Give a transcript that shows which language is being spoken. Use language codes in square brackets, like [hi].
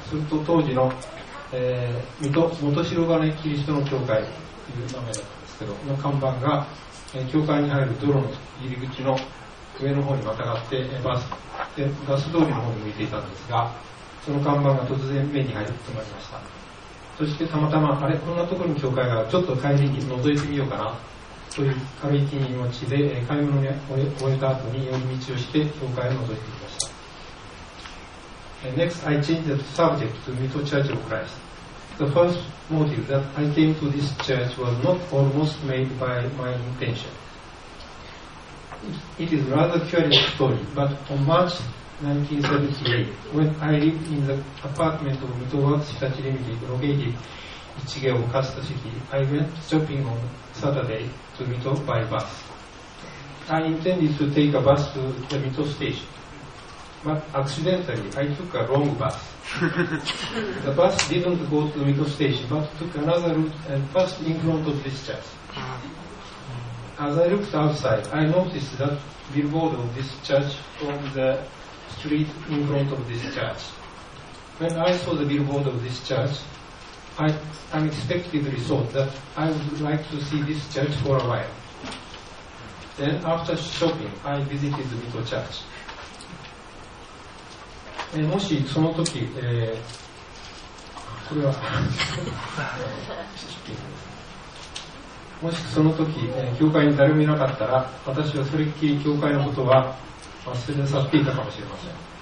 [ja] すると当時の、水戸元白金キリストの教会という名前だったんですけど、この看板が、教会に入る道路の入り口の上の方にまたがって、バス通りの方に向いていたんですが、その看板が突然目に入ってまいりました。そしてたまたま、あれ、こんなところに教会がある、ちょっと帰りに覗いてみようかなという軽い気持ちで、買い物に終えた後に寄り道をして教会を覗いてみました。 [en] Next, I changed the subject to Mito Church of Christ. The first motive that I came to this church was not almost made by my intention. It is rather curious story, but on March 1978, when I lived in the apartment of Mito Works Hitachi Limited, located Ichigeo, Kasuta City, I went shopping on Saturday to Mito by bus. I intended to take a bus to the Mito station, but accidentally I took a wrong bus. The bus didn't go to the Mito station, but took another route and passed in front of this church. As I looked outside, I noticed that billboard of this church on the street in front of this church. When I saw the billboard of this church, I unexpectedly thought that I would like to see this church for a while. Then, after shopping, I visited the Mito church. [ja] もしその時、これは もしその時、教会に誰もいなかったら、私はそれっきり教会のことは忘れ去っていたかもしれません。